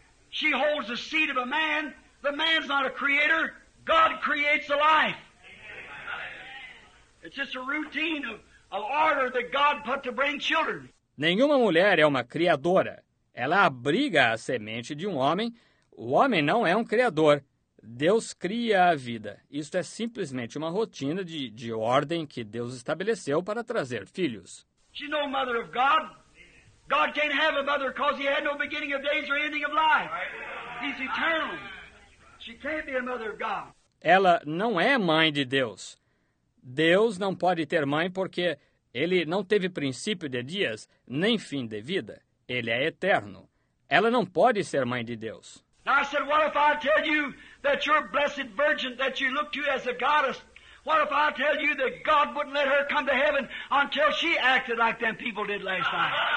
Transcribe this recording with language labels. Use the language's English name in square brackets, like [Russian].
[English] She holds the seed of a man. The man's not a creator. God creates a life. It's just a routine of order that God put to bring children. [Portuguese] Nenhuma mulher é uma criadora. Ela abriga a semente de um homem. O homem não é um criador. Deus cria a vida. Isto é simplesmente uma rotina de ordem que Deus estabeleceu para trazer filhos. [English] She's no mother of God. God can't have a mother because he had no beginning of days or ending of life. He's eternal. She can't be a mother of God. [Portuguese] Ela não é mãe de Deus. Deus não pode ter mãe porque ele não teve princípio de dias nem fim de vida. Ele é eterno. Ela não pode ser mãe de Deus. [English] Now I said, what if I tell you that your blessed virgin that you look to as a goddess, what if I tell you that God wouldn't let her come to heaven until she acted like them people did last night?